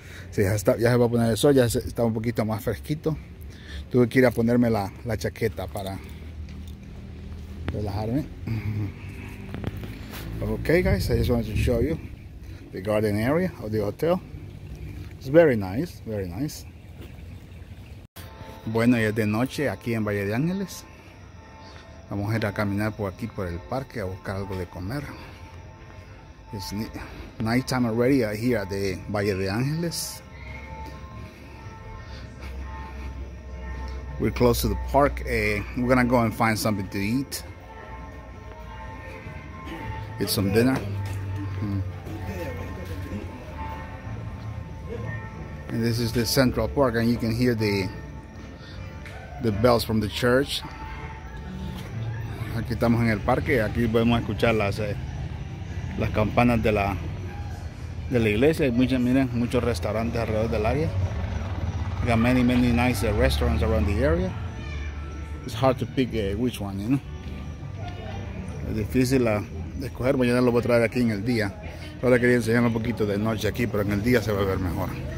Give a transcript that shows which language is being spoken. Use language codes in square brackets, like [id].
[es] Sí, ya se va a poner el sol, ya está un poquito más fresquito. Tuve que ir a ponerme la chaqueta para relajarme. [en] Okay, guys, I just wanted to show you the garden area of the hotel. It's very nice, very nice. [es] Bueno, y es de noche aquí en Valle de Ángeles. Vamos a ir a caminar por aquí por el parque a buscar algo de comer. [en] It's night time already here at the Valle de Ángeles. We're close to the park. We're gonna go and find something to eat. eat some dinner. And this is the Central Park, and you can hear the bells from the church. [es] Aquí estamos en el parque, aquí podemos escuchar las campanas de la iglesia. Hay muchos, miren, muchos restaurantes alrededor del área. [en] We got many, many nice restaurants around the area. It's hard to pick which one, you know. [es] Es difícil escoger. Mañana lo voy a traer aquí en el día. Ahora quería enseñar un poquito de noche aquí, pero en el día se va a ver mejor.